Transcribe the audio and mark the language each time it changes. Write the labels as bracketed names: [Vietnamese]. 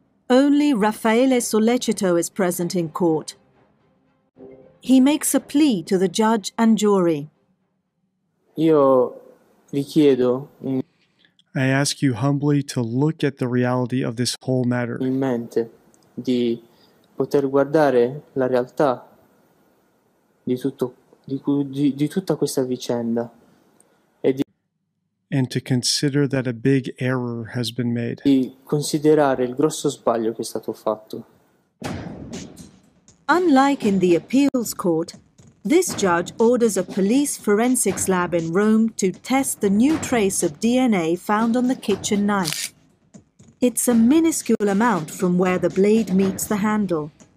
[English] Only Raffaele Sollecito is present in court. He makes a plea to the judge and jury. [Italian] Io vi chiedo. [English] I ask you humbly to look at the reality of this whole matter. [Italian] In mente di poter guardare la realtà di tutta questa vicenda. [English] And to consider that a big error has been made. [Italian] Di considerare il grosso sbaglio che è stato fatto. [English] Unlike in the appeals court, this judge orders a police forensics lab in Rome to test the new trace of DNA found on the kitchen knife. It's a minuscule amount from where the blade meets the handle.